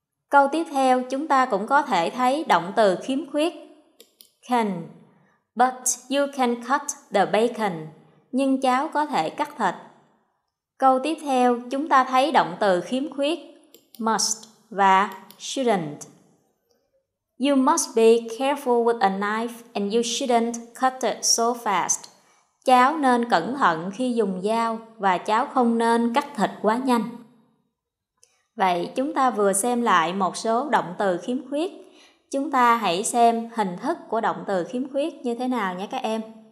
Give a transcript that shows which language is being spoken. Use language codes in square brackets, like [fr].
[vi] Câu tiếp theo, chúng ta cũng có thể thấy động từ khiếm khuyết can. [en] But you can cut the bacon. [vi] Nhưng cháu có thể cắt thịt. Câu tiếp theo, chúng ta thấy động từ khiếm khuyết must và shouldn't. [en] You must be careful with a knife and you shouldn't cut it so fast. [vi] Cháu nên cẩn thận khi dùng dao và cháu không nên cắt thịt quá nhanh. Vậy chúng ta vừa xem lại một số động từ khiếm khuyết. Chúng ta hãy xem hình thức của động từ khiếm khuyết như thế nào nhé các em.